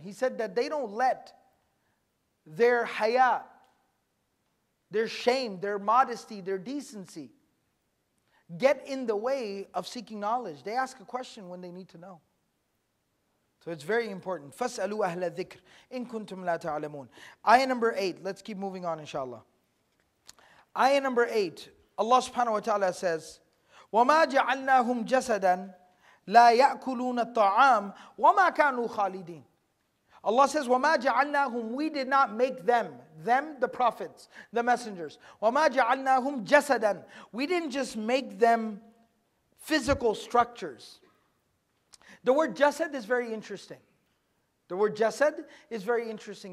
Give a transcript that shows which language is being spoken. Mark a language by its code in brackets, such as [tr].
[en] He said that they don't let their haya, their shame, their modesty, their decency get in the way of seeking knowledge. They ask a question when they need to know. So it's very important. [ar] فَاسْأَلُوا أَهْلَ الذِّكْرِ إِن كُنْتُمْ لَا تَعْلَمُونَ. [en] Ayah number 8. Let's keep moving on, inshallah. Ayah number 8. Allah subhanahu wa ta'ala says, [ar] وَمَا جَعَلْنَاهُمْ جَسَدًا لَا يَأْكُلُونَ الطَّعَامِ وَمَا كَانُوا خَالِدِينَ. [en] Allah says, [ar] وَمَا جَعَلْنَاهُمْ, [en] we did not make them. Them, the prophets, the messengers. [ar] وَمَا جَعَلْنَاهُمْ جَسَدًا. [en] We didn't just make them physical structures. The word jasad is very interesting. The word jasad is very interesting.